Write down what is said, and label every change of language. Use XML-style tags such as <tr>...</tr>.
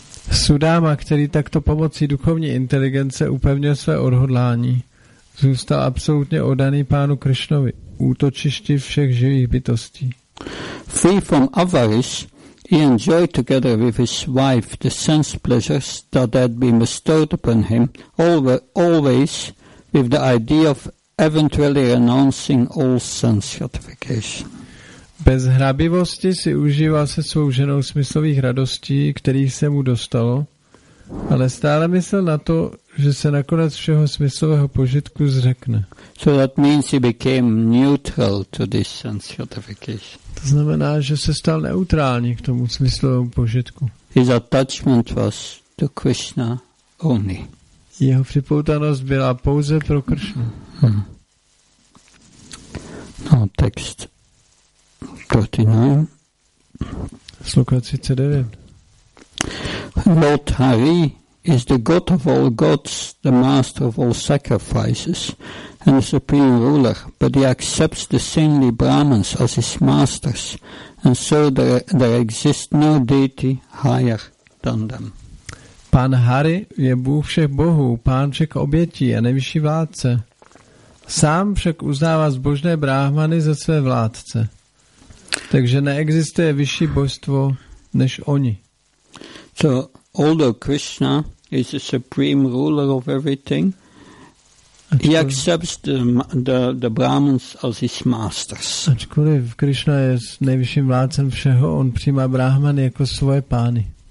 <cs>Sudama, který takto pomocí duchovní inteligence upevnil své odhodlání, zůstal absolutně oddaný pánu Krišnovi, útočišti všech živých bytostí.</cs> <en>Free from avarice, he enjoyed together with his wife the sense pleasures that had been bestowed upon him, always with the idea of eventually renouncing all sense gratification.</en> <cs>Bez hrabivosti si užíval se svou ženou smyslových radostí, kterých se mu dostalo, ale stále myslel na to, že se nakonec všeho smyslového požitku zřekne.</cs> <en>So that means he became neutral to this sense gratification.</en> <cs>To znamená, že se stal neutrální k tomu smyslovému požitku.</cs> <en>His attachment was to Krishna only.</en> <cs>Jeho připoutanost byla pouze pro Krishnu. Hmm.</cs> <en>No, text 39.</en> <cs>Sloka 39.</cs> <en>Lord Hari is the god of all gods, the master of all sacrifices, and the supreme ruler, but he accepts the saintly Brahmins as his masters, and so there exists no deity higher than them.</en> <cs>Pán Hari je bůh všech bohů, pán všech obětí a nejvyšší vládce. Sám však uznává zbožné bráhmany za své vládce. Takže neexistuje vyšší božstvo než oni.</cs> <en>So, although Krishna is the supreme ruler of everything, ačkoliv, he accepts the Brahmins as his masters.</en> <cs>Ačkoliv Krishna je nejvyšším vládcem všeho, on přijímá bráhmany jako svoje pány.</cs>